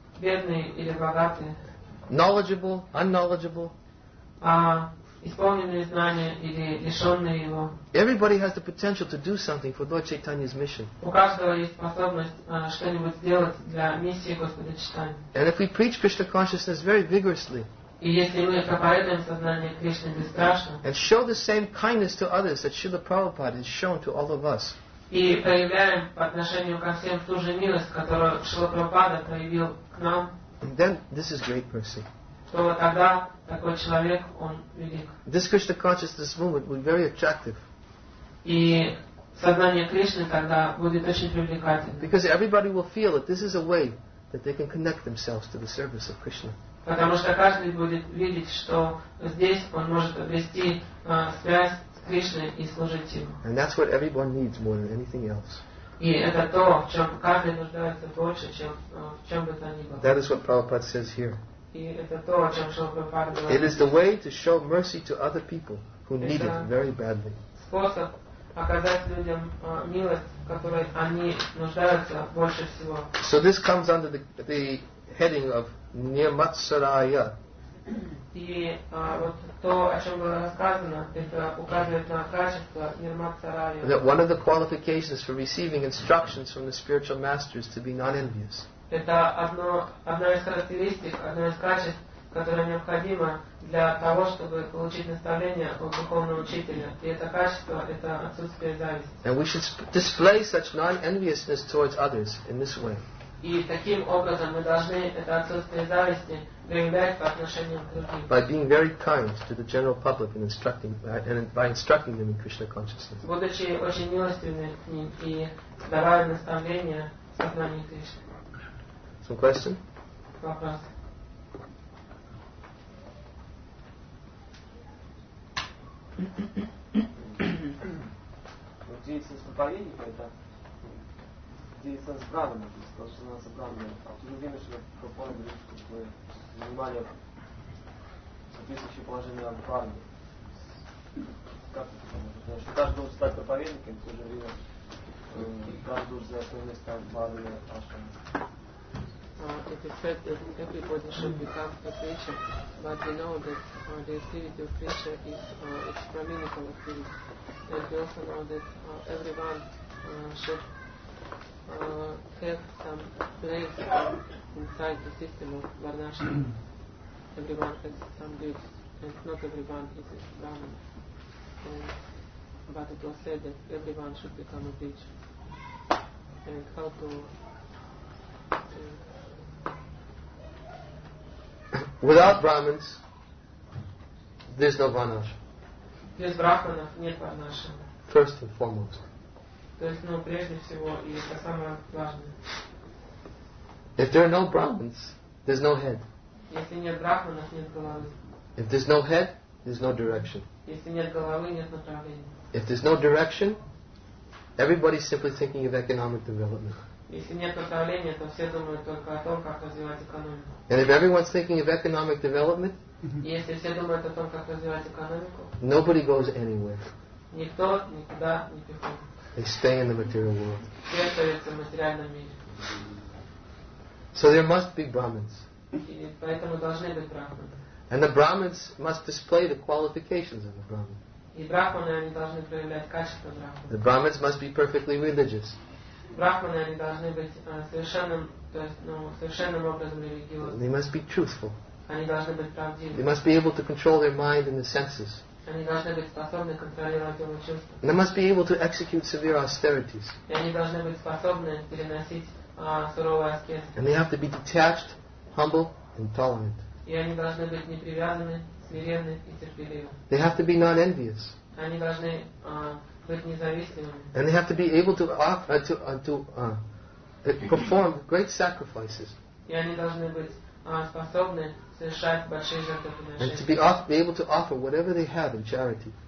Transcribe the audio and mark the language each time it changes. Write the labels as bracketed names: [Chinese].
[Russian] бедные или богатые, [English] knowledgeable, unknowledgeable, [Russian] исполненные знания или лишенные его, [English] everybody has the potential to do something for Lord Chaitanya's mission. [Russian] У каждого есть способность что-нибудь сделать для миссии Господа Чайтаньи. [English] And if we preach Krishna consciousness very vigorously, [Russian] и если мы проповедуем сознание Кришны бесстрашно, [English] and show the same kindness to others that Srila Prabhupada has shown to all of us, [Russian] и проявляем по отношению ко всем ту же милость, которую Шрила Прабхупада проявил к нам, [English] then this is great mercy. [Russian] То вот тогда такой человек, он велик. [English] This Krishna consciousness movement will be very attractive. [Russian] И сознание Кришны тогда будет очень привлекательным. [English] Because everybody will feel that this is a way that they can connect themselves to the service of Krishna. [Russian] Потому что каждый будет видеть, что здесь он может обрести связь с Кришной и служить Ему. [English] And that's what everyone needs more than anything else. [Russian] И это то, в чем каждый нуждается больше, чем в чем бы то ни было. [English] That is what Prabhupada says here. [Russian] И это то, о чем Шрила Прабхупада говорит. [English] It is the way to show mercy to other people who need it very badly. [Russian] Способ оказать людям милость, в которой они нуждаются больше всего. [English] So this comes under the heading of Nirmatsaraya. [Russian] И вот то, о чем было сказано, это указывает на качество Nirmatsaraya. [English] That one of the qualifications for receiving instructions from the spiritual masters to be non-envious. [Russian] Это одна из характеристик, одно из качеств, которое необходимо для того, чтобы получить наставление от духовного учителя. И это качество, это отсутствие зависти. [English] And we should display such non-enviousness towards others in this way. [Russian] И таким образом мы должны это отсутствие зависти проявлять по отношению к другим. [English] By being very kind to the general public and instructing and by instructing them in Krishna consciousness. [Russian] Будучи очень милостивыми к ним и давая наставления в сознании Кришны. [English] Some question? [Russian] Вопрос. Вот деятельность проповедника это деятельность сбранного, то есть то, что она сбранная. А в то же время, что я пропал, мы занимали соответствующее положение в армии. Как это поможет? Потому что каждый должен стать проповедником, в то же время каждый должен занять свое место в армии Ашрама. [English] It is said that everybody should become a preacher, but we know that the activity of preacher is extra-minical activity. And we also know that everyone should have some place inside the system of Varnashram. Everyone has some duties, and not everyone is a Brahman. But it was said that everyone should become a preacher. And how to... Without Brahmins, there's no Varnashram. [Russian] Без брахманов нет Варнашрама. [English] First and foremost. [Russian] То есть, ну, прежде всего, и это самое важное. [English] If there are no Brahmins, there's no head. [Russian] Если нет брахманов, нет головы. [English] If there's no head, there's no direction. [Russian] Если нет головы, нет направления. [English] If there's no direction, everybody's simply thinking of economic development. [Russian] Если нет управления, то все думают только о том, как развивать экономику. [English] And if everyone's thinking of economic development, [Russian] если все думают о том, как развивать экономику, [English] nobody goes anywhere. [Russian] Никто никуда не приходит. [English] They stay in the material world. [Russian] Все остаются в материальном мире. [English] So there must be Brahmins. [Russian] И поэтому должны быть Брахманы. [English] And the Brahmins must display the qualifications of the Brahmin. [Russian] И Брахманы, они должны проявлять качество Брахмана. [English] The Brahmins must be perfectly religious. [Russian] Брахманы, они должны быть совершенным, то есть, ну, совершенным образом религиозным. [English] They must be truthful. [Russian] Они должны быть правдивы. [English] They must be able to control their mind and the senses. [Russian] Они должны быть способны контролировать его чувства. [English] They must be able to execute severe austerities. [Russian] И они должны быть способны переносить суровые аскезы. [English] And they have to be detached, humble, and tolerant. [Russian] И они должны быть непривязаны, смиренны и терпеливы. [English] They have to be non-envious. [Russian] Они должны быть независимыми. [English] And they have to be able to offer perform great sacrifices. [Russian] И они должны быть способны совершать большие жертвоприношения. [English] And to be able to offer whatever they have in charity.